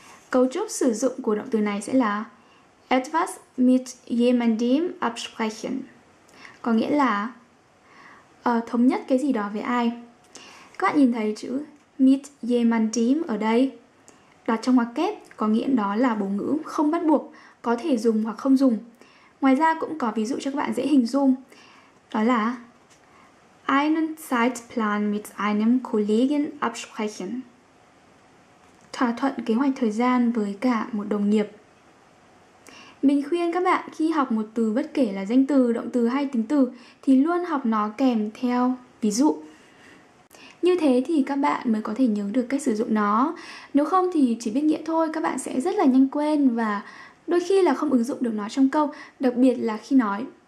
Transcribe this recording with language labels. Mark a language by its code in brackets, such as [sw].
[vi] Cấu trúc sử dụng của động từ này sẽ là [de] etwas mit jemandem absprechen, [vi] có nghĩa là thống nhất cái gì đó với ai. Các bạn nhìn thấy chữ [de] mit jemandem [vi] ở đây đặt trong ngoặc kép, có nghĩa đó là bổ ngữ không bắt buộc, có thể dùng hoặc không dùng. Ngoài ra cũng có ví dụ cho các bạn dễ hình dung. Đó là [de] einen Zeitplan mit einem Kollegen absprechen. [vi] Thỏa thuận kế hoạch thời gian với cả một đồng nghiệp. Mình khuyên các bạn khi học một từ bất kể là danh từ, động từ hay tính từ thì luôn học nó kèm theo ví dụ. Như thế thì các bạn mới có thể nhớ được cách sử dụng nó. Nếu không thì chỉ biết nghĩa thôi, các bạn sẽ rất là nhanh quên và đôi khi là không ứng dụng được nó trong câu, đặc biệt là khi nói.